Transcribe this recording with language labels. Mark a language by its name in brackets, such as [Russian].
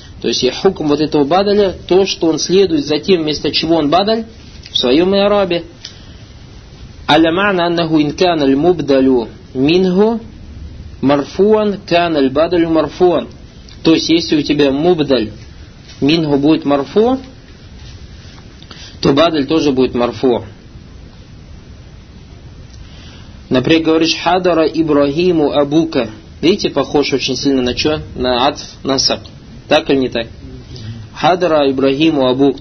[Russian] То есть хукм вот этого бадаля, то, что он следует за тем, вместо чего он бадаль, в своем арабе. [Arabic] على معنى أنه إن كان المبدل منه مرفوعا كان البدل مرفوعا. [Russian] То есть если у тебя мубдаль минху будет марфу, то бадаль тоже будет марфу. Например, говоришь [Arabic] «Хадара Ибрагиму Абука». [Russian] Видите, похож очень сильно на что? На «Атф Насак». Так или не так? [Arabic] «Хадара Ибрагиму Абук».